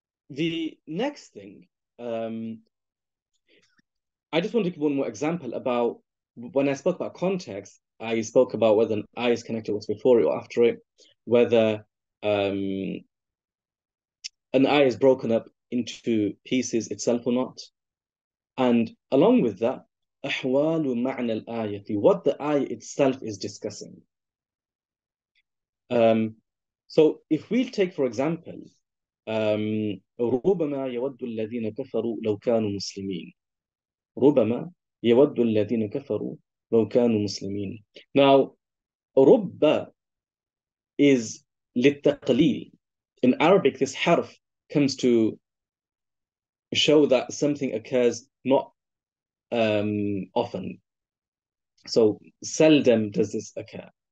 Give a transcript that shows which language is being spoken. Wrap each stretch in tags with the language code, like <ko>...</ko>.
<en>The next thing, I just want to give one more example about when I spoke about context, I spoke about whether an ayah is connected what's before it or after it, whether an ayah is broken up into pieces itself or not. And along with that,</en> <ar>أحوال معنى الآية,</ar> <en>what the ayah itself is discussing. So if we take, for example,</en> <ar>ربما يود الذين كفروا لو كانوا مسلمين. ربما يود الذين كفروا لو كانوا مسلمين.</ar> <en>Now, رب is للتقليل. In Arabic, this harf comes to show that something occurs not often. So seldom does this occur.</en>